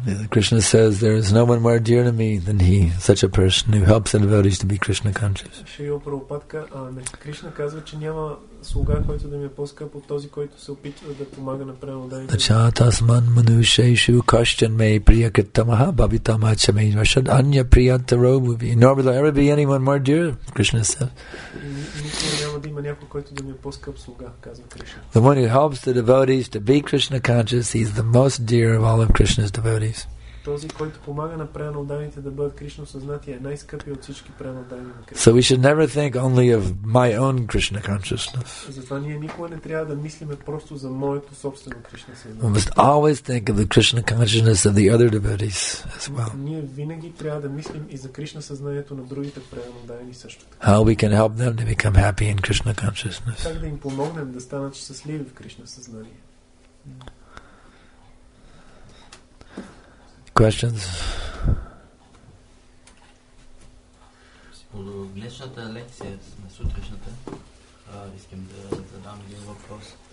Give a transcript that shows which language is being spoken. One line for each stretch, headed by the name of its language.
English: Krishna says there is no one more dear to me than he, such a person who helps the devotees to be Krishna conscious.
Bulgarian: Шрила Прабхупада, Кришна казва, че няма слуга, който да ми е по-скъп от този, който се опитва да помага на преданите.
Sanskrit: Чатасман манушешу кашчан ме приятамах бхавитама ча ме вашад анья приятаро бхуви.
English: Nor will there ever be anyone more dear, Krishna said.
Bulgarian: Няма да има някой, който да ми е по-скъп слуга, казва Кришна.
English: The one who helps the devotees to be Krishna conscious, he's the most dear of all of Krishna's devotees.
Bulgarian: този, който помага на преанодайните да бъдат Кришна съзнати, е най-скъпи от всички преанодайни на
English: Кришна. So we should never think only of my own Krishna consciousness.
Bulgarian: Затова ние никога не трябва да мислиме просто за моето собствено Кришна съзнание.
English: We must always think of the Krishna consciousness of the other devotees as well.
Bulgarian: Ние винаги трябва да мислим и за Кришна съзнанието на другите преанодайни също така.
English: How we can help them to become happy in Krishna consciousness.
Bulgarian: Как да им помогнем да станат щастливи в Кришна съзнание?
English: Questions.
Bulgarian: По днешната лекция на сутрешната, искам да задам един въпрос.